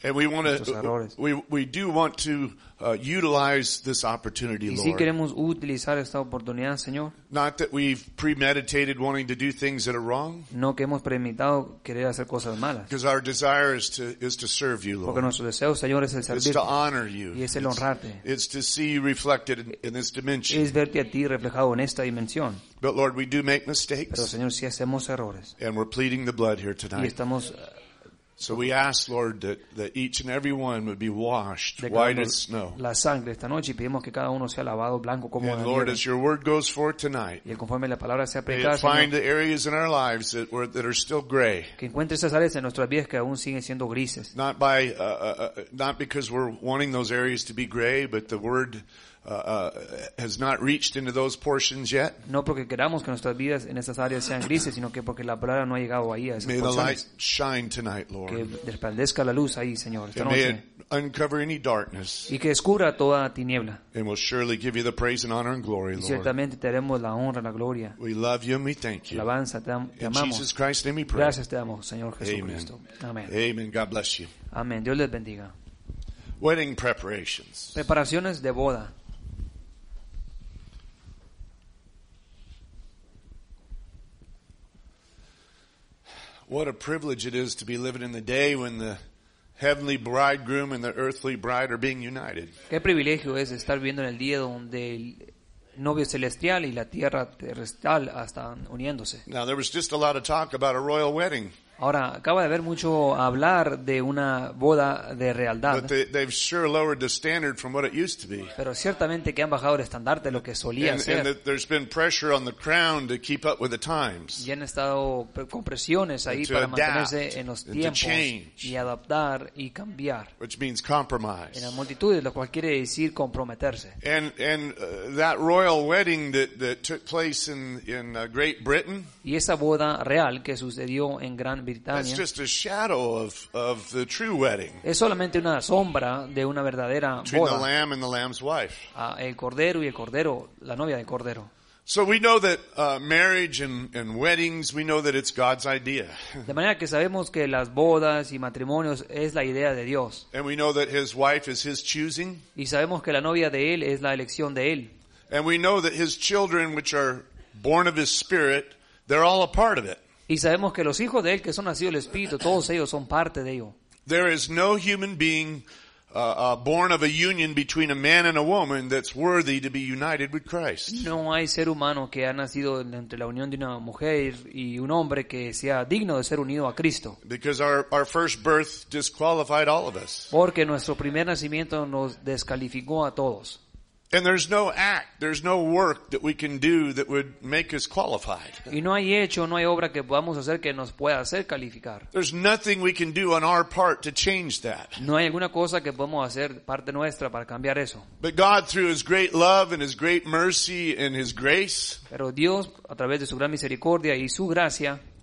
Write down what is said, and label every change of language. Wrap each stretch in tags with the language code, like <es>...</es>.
<en>and we want to, we do want to utilize this opportunity,</en> <es>y</es> <en>Lord.</en> <es>Si queremos utilizar esta oportunidad, Señor.</es> <en>Not that we've premeditated wanting to do things that are wrong.</en> <es>No que hemos premeditado querer hacer cosas malas.</es> <en>Because our desire is to serve you, Lord.</en> <es>Nuestro deseo, Señor, es el servirte.</es> <en>It's to honor you.</en> <es>Y es el honrarte.</es> <en>It's to see you reflected in this dimension.</en> <es>Es verte a ti reflejado en esta dimensión.</es> <en>But Lord, we do make mistakes.</en> <es>Pero Señor, si hacemos errores.</es> <en>And we're pleading the blood here tonight.</en> <es>Y estamos</es> <en>So we ask, Lord, that each and every one would be washed white as snow.</en> <es>La sangre esta noche, y pedimos que cada uno sea lavado blanco como la nieve.</es> <en>And Lord, as your word goes forth tonight,</en> <es>y conforme la palabra sea predicada,</es> <en>may it find the areas in our lives that are still gray.</en> <es>Que encuentre esas áreas en nuestras vidas que aún siguen siendo grises.</es> <en>Not by not because we're wanting those areas to be gray, but the word has not reached into those portions yet.</en> <es>No porque queramos que nuestras vidas en esas áreas sean grises, sino que porque la palabra no ha llegado ahí a esas porciones.</es> <en>May the light shine tonight, Lord.</en> <es>Que resplandezca la luz ahí, Señor, esta noche.</es> <en>May it uncover any darkness.</en> <es>Y que descubra toda tiniebla.</es> <en>And we'll surely give you the praise and honor and glory, Lord.</en> <es>Y ciertamente te daremos la honra y la gloria.</es> <en>We love you and we thank you.</en> <es>Alabanza, te amamos.</es> <en>In Jesus Christ's name we pray.</en> <es>Gracias te damos, Señor Jesucristo. Amén.</es> <en>Amen. God bless you.</en> <es>Amén. Dios les bendiga.</es> <en>Wedding preparations.</en> <es>Preparaciones de boda.</es> <en>What a privilege it is to be living in the day when the heavenly bridegroom and the earthly bride are being united.</en> <es>Qué privilegio es estar viviendo en el día donde el novio celestial y la tierra terrestre están uniéndose.</es> <en>Now there was just a lot of talk about a royal wedding.</en> <es>Ahora acaba de haber mucho hablar de una boda de realidad.</es> <en>But they've sure lowered the standard from what it used to be.</en> <es>Pero ciertamente que han bajado el estándar de lo que solía ser.</es> <en>And there's been pressure on the crown to keep up with the times.</en> <es>Y han estado con presiones ahí para mantenerse en los tiempos y adaptar y cambiar.</es> <en>Which means compromise.</en> <es>En las multitudes, lo cual quiere decir comprometerse.</es> <en>And that royal wedding that took place in Great Britain.</en> <es>Y esa boda real que sucedió en Gran</es> <en>Britannia, that's just a shadow of the true wedding.</en> <es>Es solamente una sombra de una verdadera boda.</es> <en>Between the lamb and the lamb's wife.</en> <es>El cordero y el cordero, la novia del cordero.</es> <en>So we know that marriage and weddings, we know that it's God's idea.</en> <es>De manera que sabemos que las bodas y matrimonios es la idea de Dios.</es> <en>And we know that his wife is his choosing.</en> <es>Y sabemos que la novia de él es la elección de él.</es> <en>And we know that his children, which are born of his spirit, they're all a part of it.</en> <es>Y sabemos que los hijos de él que son nacidos del Espíritu, todos ellos son parte de ello.</es> <en>There is no human being born of a union between a man and a woman that's worthy to be united with Christ.</en> <es>No hay ser humano que ha nacido entre la unión de una mujer y un hombre que sea digno de ser unido a Cristo.</es> <en>Because our first birth disqualified all of us.</en> <es>Porque nuestro primer nacimiento nos descalificó a todos.</es> <en>And there's no act, there's no work that we can do that would make us qualified.</en> <es>Y no hay hecho, no hay obra que podamos hacer que nos pueda hacer calificar.</es> <en>There's nothing we can do on our part to change that.</en> <es>No hay alguna cosa que podamos hacer parte nuestra para cambiar eso.</es> <en>But God, through His great love and His great mercy and His grace,</en> <es>pero Dios, a través de su gran misericordia y su gracia,</es>